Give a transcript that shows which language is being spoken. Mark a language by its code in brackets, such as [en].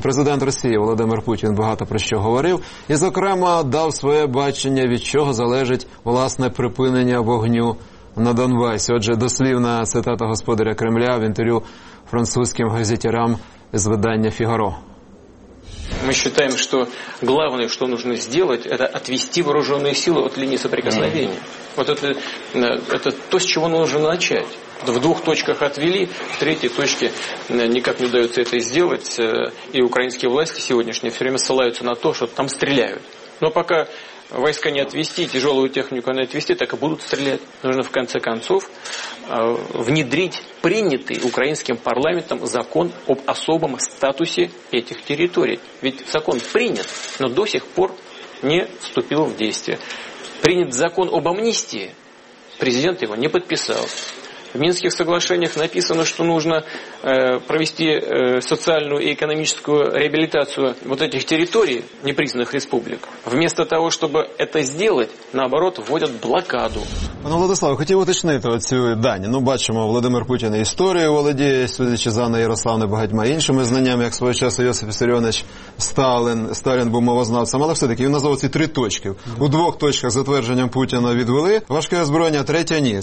[uk] Президент Росії Володимир Путін багато про що говорив і, зокрема, дав своє бачення, від чого залежить власне припинення вогню на Донбасі. Отже, дослівна цитата господаря Кремля в інтерв'ю французьким газетярам з видання «Фігаро». [ru] Мы считаем, что главное, что нужно сделать, это отвести вооруженные силы от линии соприкосновения. Вот это то, с чего нужно начать. В двух точках отвели, в третьей точке никак не удается это сделать. И украинские власти сегодняшние все время ссылаются на то, что там стреляют. Но пока войска не отвести, тяжелую технику не отвести, так и будут стрелять. Нужно в конце концов внедрить принятый украинским парламентом закон об особом статусе этих территорий. Ведь закон принят, но до сих пор не вступил в действие. Принят закон об амнистии, президент его не подписал. В Минских соглашениях написано, что нужно провести социальную и экономическую реабилитацию вот этих территорий, непризнанных республик. Вместо того, чтобы это сделать, наоборот, вводят блокаду. [uk] Пане Владиславе, хотів уточнити оцю дані. Ну, бачимо, Володимир Путін історією володіє, судячи за Анною Ярославною, багатьма іншими знаннями, як свого часу Йосиф Іссаріонович Сталін був мовознавцем. Але все-таки він назвав ці три точки. У двох точках затвердженням Путіна відвели важке озброєння, третя – ні.